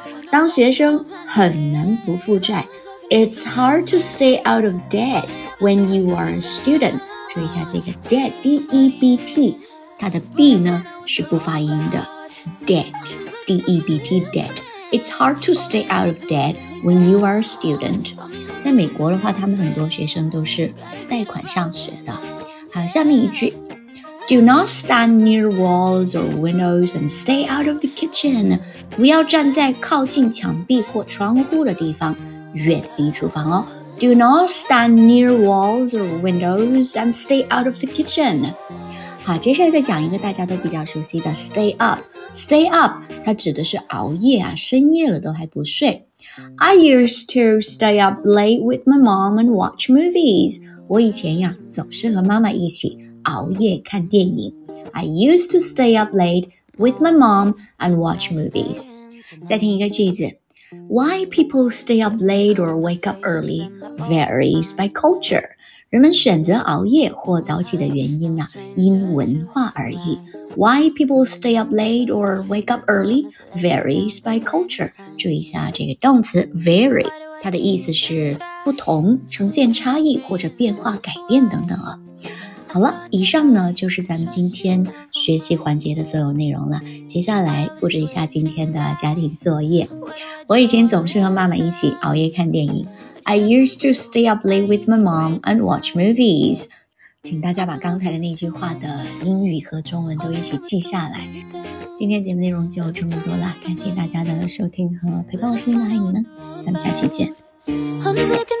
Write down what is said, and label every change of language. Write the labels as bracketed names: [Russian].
[Chinese] 当学生很难不负债， [English] It's hard to stay out of debt when you are a student。 [Chinese] 注意一下这个 debt, D-E-B-T, 它的 B 呢是不发音的， debt, D-E-B-T, debt。 [English] It's hard to stay out of debt when you are a student. [Chinese] 在美国的话，他们很多学生都是贷款上学的。好，下面一句。 [English] Do not stand near walls or windows and stay out of the kitchen. [Chinese] 不要站在靠近墙壁或窗户的地方，远离厨房哦。 [English] Do not stand near walls or windows and stay out of the kitchen. [Chinese] 好，接下来再讲一个大家都比较熟悉的 stay up。Stay up, 它指的是熬夜啊，深夜了都还不睡。 [English] I used to stay up late with my mom and watch movies. [Chinese] 我以前呀，总是和妈妈一起熬夜看电影。 [English] I used to stay up late with my mom and watch movies. [Chinese] 再听一个句子。 [English] Why people stay up late or wake up early varies by culture. [Chinese] 人们选择熬夜或早起的原因呢、啊，因文化而异。 [English] Why people stay up late or wake up early varies by culture. [Chinese] 注意一下这个动词 vary， 它的意思是不同、呈现差异或者变化、改变等等啊。好了，以上呢就是咱们今天学习环节的所有内容了。接下来布置一下今天的家庭作业。我以前总是和妈妈一起熬夜看电影。 [English] I used to stay up late with my mom and watch movies. [Chinese] 请大家把刚才的那句话的英语和中文都一起记下来。今天节目内容就这么多了，感谢大家的收听和陪伴，我是琳娜，爱你们，咱们下期见。